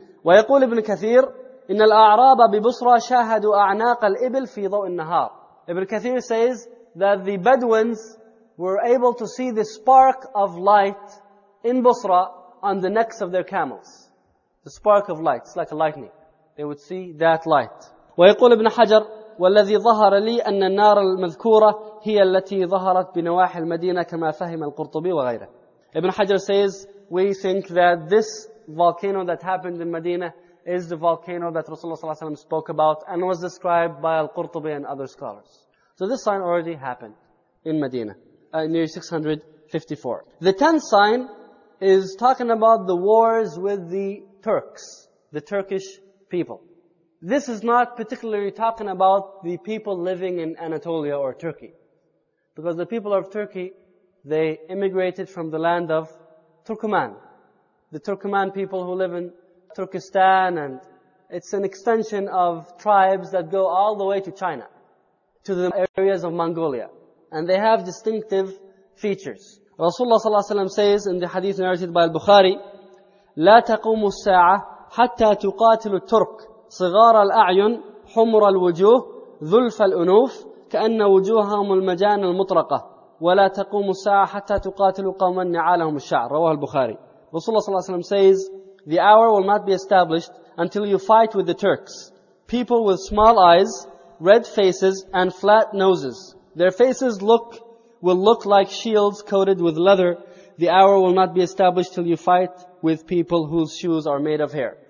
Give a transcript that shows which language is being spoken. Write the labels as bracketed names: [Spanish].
[Arabic] وَيَقُولِ ابْنُ كَثِيرٍ إِنَّ الْأَعْرَابَ بِبُصْرَى شَاهَدُوا أَعْنَاقَ الْإِبْلِ فِي ضَوْءِ النَّهَارِ. [English] Ibn Kathir says that the Bedouins were able to see the spark of light in Busra on the necks of their camels. The spark of light, it's like a lightning. They would see that light. [Arabic] ويقول ابن حجر والذي ظهر لي أن النار المذكورة هي التي ظهرت بنواحي المدينة كما فهم القرطبي وغيره. [English] Ibn Hajar says, we think that this volcano that happened in Medina is the volcano that Rasulullah sallallahu alaihi wasallam spoke about and was described by al-Qurtubi and other scholars. So this sign already happened in Medina near 654. The tenth sign is talking about the wars with the Turks, the Turkish people. This is not particularly talking about the people living in Anatolia or Turkey. Because the people of Turkey, they immigrated from the land of Turkoman. The Turkoman people who live in Turkestan and It's an extension of tribes that go all the way to China, to the areas of Mongolia. And they have distinctive features. Rasulullah sallallahu alayhi wa sallam says in the hadith narrated by al-Bukhari, [Arabic] لا تقوم الساعة حتى تقاتل الترك صغار الأعين حمر الوجوه ذلف الأنوف كأن وجوههم المجان المطرقة ولا تقوم الساعة حتى تقاتل قوما نعالهم الشعر رواه البخاري. [English] Rasulullah sallallahu alayhi wa sallam says, the hour will not be established until you fight with the Turks, people with small eyes, red faces, and flat noses. Their faces will look like shields coated with leather. The hour will not be established till you fight with people whose shoes are made of hair.